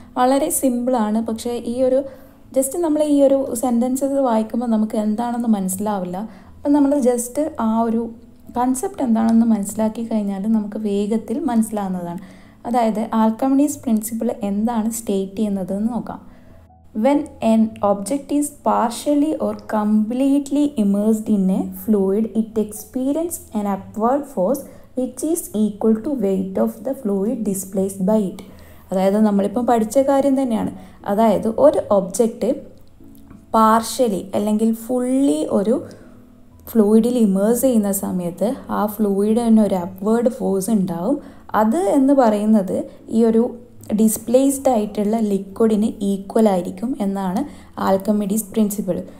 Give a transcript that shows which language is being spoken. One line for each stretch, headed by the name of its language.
Malayalam: വളരെ സിമ്പിളാണ്, പക്ഷേ ഈ ഒരു ജസ്റ്റ് നമ്മൾ ഈ ഒരു സെൻറ്റൻസസ് വായിക്കുമ്പോൾ നമുക്ക് എന്താണെന്ന് മനസ്സിലാവില്ല. അപ്പം നമ്മൾ ജസ്റ്റ് ആ ഒരു കൺസെപ്റ്റ് എന്താണെന്ന് മനസ്സിലാക്കി കഴിഞ്ഞാൽ നമുക്ക് വേഗത്തിൽ മനസ്സിലാകുന്നതാണ്. അതായത് ആൽക്കമിഡീസ് പ്രിൻസിപ്പിൾ എന്താണ് സ്റ്റേറ്റ് ചെയ്യുന്നത് എന്ന് നോക്കാം.
English: When an object is partially or completely immersed in a fluid, it experiences an upward force which is equal to weight of the fluid displaced by it.
Malayalam: അതായത് നമ്മളിപ്പം പഠിച്ച കാര്യം തന്നെയാണ്. അതായത് ഒരു ഒബ്ജക്റ്റ് പാർഷ്യലി അല്ലെങ്കിൽ ഫുള്ളി ഒരു ഫ്ലൂയിഡിൽ ഇമേഴ്സ് ചെയ്യുന്ന സമയത്ത് ആ ഫ്ലൂയിഡിന് ഒരു അപ്വേർഡ് ഫോഴ്സ് ഉണ്ടാവും. അത് എന്ന് പറയുന്നത് ഈ ഒരു ഡിസ്പ്ലേസ്ഡ് ആയിട്ടുള്ള ലിക്വിഡിന് ഈക്വൽ ആയിരിക്കും എന്നാണ് ആൽക്കമിഡീസ് പ്രിൻസിപ്പിൾ.